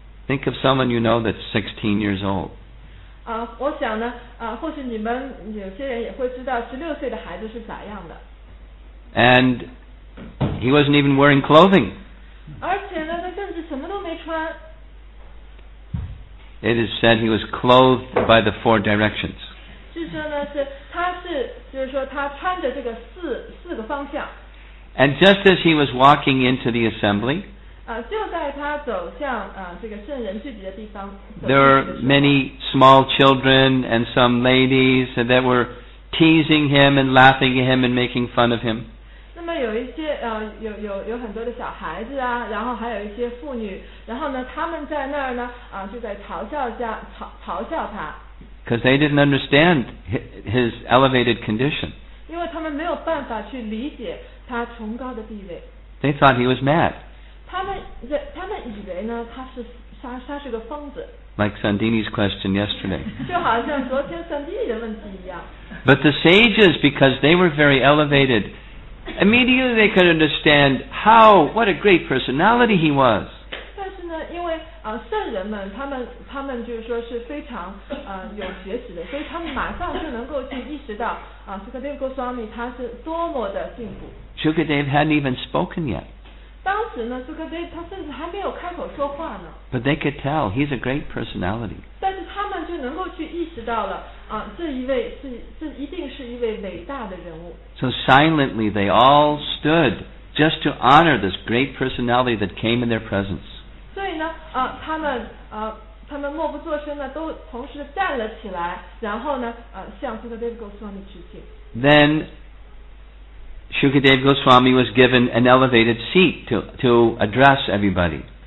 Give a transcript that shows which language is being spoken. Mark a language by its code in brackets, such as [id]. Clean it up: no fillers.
[en] Think of someone you know that's 16 years old [zh] 我想呢，或许你们有些人也会知道16岁的孩子是咋样的。 [en] And he wasn't even wearing clothing. [zh] 而且呢，他甚至什么都没穿。 [en] It is said he was clothed by the four directions. [zh] 据说呢，是他穿着这个四个方向。 [en] And just as he was walking into the assembly, [zh] 就在他走向这个圣人聚集的地方。 [en] There are many small children and some ladies that were teasing him and laughing at him and making fun of him. [zh] 那么有一些有很多的小孩子啊，然后还有一些妇女，然后呢，他们在那儿呢啊，就在嘲笑他。 [en] Because they didn't understand his elevated condition. [zh] 因为他们没有办法去理解他崇高的地位。 [en] They thought he was mad. [zh] 他们以为呢，他是个疯子。 [en] Like Sandini's question yesterday. [zh] 就好像昨天 Sandini 的问题一样。 [en] But the sages, because they were very elevated, immediately they could understand what a great personality he was. [zh] 但是呢，因为圣人们他们就是说是非常有学识的，所以他们马上就能够去意识到Sukadeva Goswami 他是多么的进步。 [en] Sukadeva hadn't even spoken yet. [zh] 当时呢 ，Sukadeva 他甚至还没有开口说话呢。 [en] But they could tell he's a great personality. [zh] 但是他们就能够去意识到了这一定是一位伟大的人物。 [en] So silently they all stood just to honor this great personality that came in their presence. [zh] 所以呢，他们默不作声的都同时站了起来，然后呢，向Sukadeva Goswami 致敬。 [en] Then Sukadeva Goswami was given an elevated seat to address everybody.